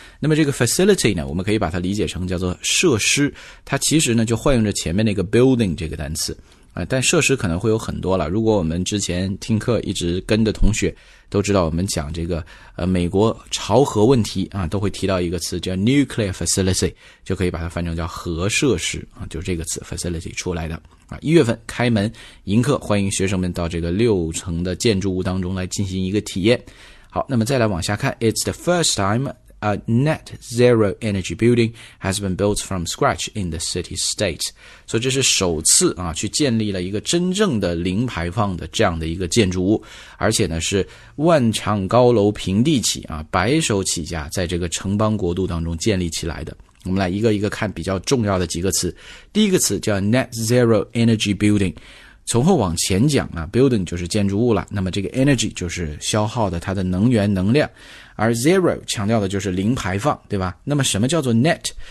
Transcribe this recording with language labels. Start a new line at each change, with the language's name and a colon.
Chinese: 那么这个 facility 呢，我们可以把它理解成叫做设施，它其实呢就换用着前面那个 building 这个单词啊，但设施可能会有很多了。如果我们之前听课一直跟的同学都知道，我们讲这个美国朝核问题啊，都会提到一个词叫
English: nuclear facility,
Chinese: 就可以把它翻成叫核设施啊，就是这个词 facility 出来的啊。 1月份开门迎客，欢迎学生们到这个六层的建筑物当中来进行一个体验。好，那么再来往下看。
English: It's the first time a net zero energy building has been built from scratch in the city state.
Chinese: 所以这是首次啊，去建立了一个真正的零排放的这样的一个建筑物，而且呢是万丈高楼平地起啊，白手起家在这个城邦国度当中建立起来的。我们来一个一个看比较重要的几个词。第一个词叫
English: net zero energy building。
Chinese: 从后往前讲啊， building 就是建筑物了，那么这个 energy 就是消耗的它的能源能量，而 zero 强调的就是零排放，对吧？那么什么叫做 net?